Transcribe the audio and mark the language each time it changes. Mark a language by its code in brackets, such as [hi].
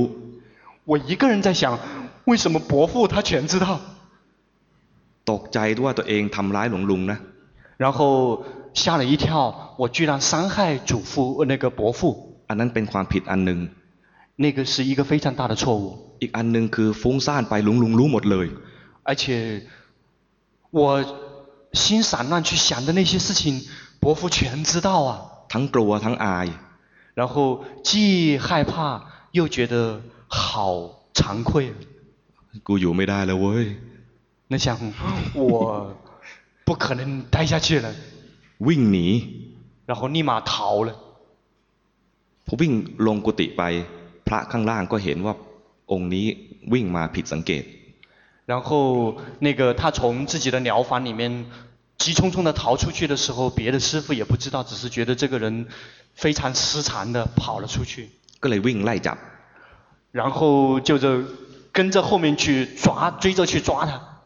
[zh] 我一个人在想为什么伯父他全知道 [th] ตกใจด้วยตัวเองทำร้ายหลงหลงนะ [zh] 然后吓了一跳我居然伤害祖父那个伯父 [th] อันนั้นเป็นความผิดอันหนึ่ง [zh] 那个是一个非常大的错误 [th] อีกอันหนึ่งคือฟุ้งซ่านไปหลงหลงรู้หมดเลย [zh] 而且我心散乱去想的那些事情伯父全知道啊 [th] ทั้งกลัวทั้งอาย [zh] 然后既害怕又觉得好惭愧 [th] กูอยู่ไม่ได้แล้วเว้ย [zh] 那想我不可能待下去了 [th] วิ่งหนี [zh] 然后立马逃了 [th] พอวิ่งลงกุฏิไปพระข้างล่างก็เห็นว่าองค์นี้วิ่งมาผิดสังเกต [zh] 然后那个他从自己的疗房里面急匆匆的逃出去的时候别的师傅也不知道只是觉得这个人非常失常的跑了出去 [th] ก็เลยวิ่งไล่จับ [zh] 然后就着跟着后面去抓追着去抓他